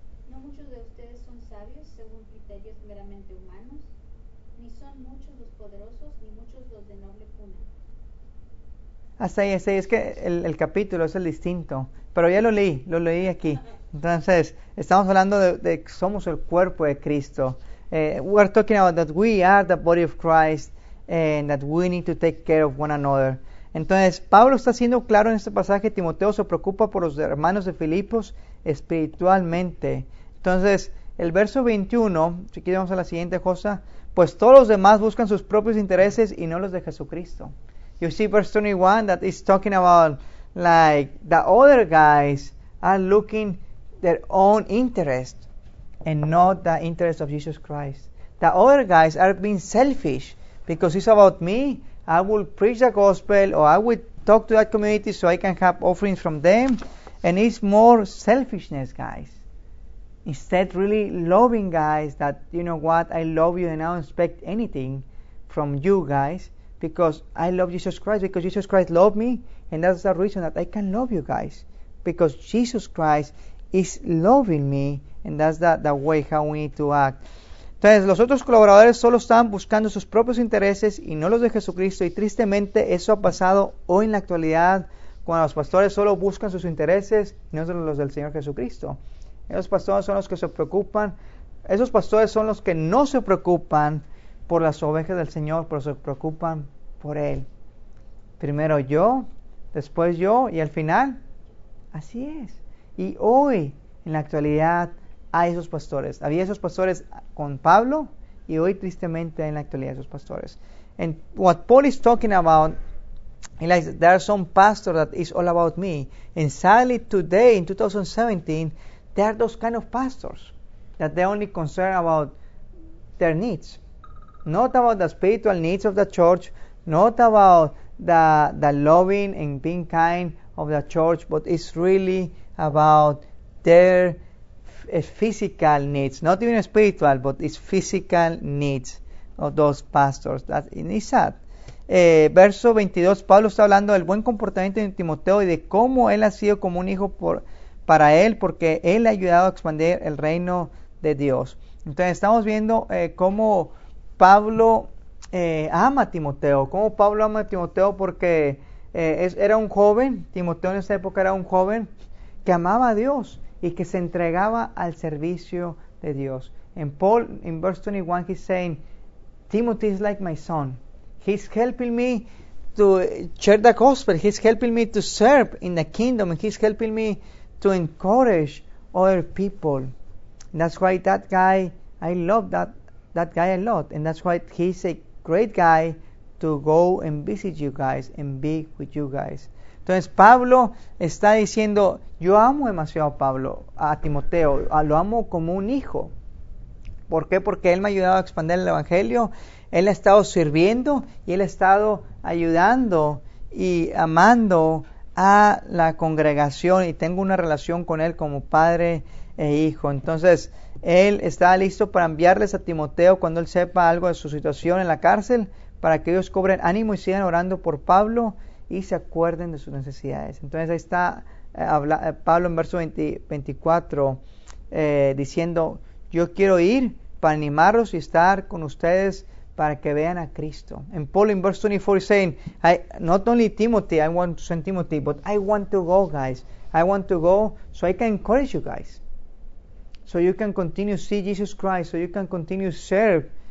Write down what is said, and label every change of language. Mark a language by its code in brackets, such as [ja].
[es] No muchos de ustedes son sabios según criterios meramente humanos, ni son muchos los poderosos, ni muchos los de noble cuna. Hasta ahí, es que el capítulo es el distinto, pero ya lo leí aquí. Entonces, estamos hablando de que somos el cuerpo de Cristo. [en] We are talking about that we are the body of Christ and that we need to take care of one another. [es] Entonces, Pablo está siendo claro en este pasaje, Timoteo se preocupa por los hermanos de Filipos espiritualmente. Entonces, el verso 21, si quieres vamos a la siguiente cosa, pues todos los demás buscan sus propios intereses y no los de Jesucristo. [en] You see verse 21 that is talking about like the other guys are looking their own interest and not the interest of Jesus Christ. The other guys are being selfish because it's about me. I will preach the gospel or I will talk to that community so I can have offerings from them. And it's more selfishness, guys. Instead, really loving guys that, you know what, I love you and I don't expect anything from you guys. Because I love Jesus Christ, because Jesus Christ loved me, and that's the reason that I can love you guys. Because Jesus Christ is loving me, and that's the way how we need to act. [es] Entonces, los otros colaboradores solo estaban buscando sus propios intereses y no los de Jesucristo, y tristemente eso ha pasado hoy en la actualidad, cuando los pastores solo buscan sus intereses y no los del Señor Jesucristo. Esos pastores son los que se preocupan, esos pastores son los que no se preocupan por las ovejas del Señor, pero se preocupan por Él. Primero yo, después yo, y al final, así es. Y hoy, en la actualidad, hay esos pastores. Había esos pastores con Pablo, y hoy, tristemente, hay en la actualidad esos pastores. [en] And what Paul is talking about, he likes, there are some pastors that is all about me. And sadly, today, in 2017, there are those kind of pastors that they only concern about their needs. Not about the spiritual needs of the church, not about the loving and being kind of the church, but it's really about their physical needs. Not even spiritual, but it's physical needs of those pastors. That is sad. [es] Verso 22, Pablo está hablando del buen comportamiento de Timoteo y de cómo él ha sido como un hijo para él, porque él le ha ayudado a expandir el reino de Dios. Entonces, estamos viendo cómo Pablo ama a Timoteo. ¿Cómo Pablo ama a Timoteo? Porque era un joven, Timoteo en esa época era un joven que amaba a Dios y que se entregaba al servicio de Dios. [en] En Paul, en verse 21, he's saying, Timothy is like my son. He's helping me to share the gospel. He's helping me to serve in the kingdom. He's helping me to encourage other people. And that's why that guy, I love that guy a lot, and that's why he's a great guy to go and visit you guys and be with you guys. [es] Entonces Pablo está diciendo, yo amo demasiado a Timoteo, lo amo como un hijo. ¿Por qué? Porque él me ha ayudado a expandir el evangelio, él ha estado sirviendo y él ha estado ayudando y amando a la congregación, y tengo una relación con él como padre e hijo. Entonces él está listo para enviarles a Timoteo cuando él sepa algo de su situación en la cárcel, para que ellos cobren ánimo y sigan orando por Pablo y se acuerden de sus necesidades. Entonces ahí está Pablo en verso 24 diciendo, yo quiero ir para animarlos y estar con ustedes para que vean a Cristo. [en] En Paul [es] en verso [en] 24 saying, not only Timothy, I want to send Timothy, but I want to go, guys. I want to go so I can encourage you guys. So you can continue to see Jesus Christ. So you can continue to serve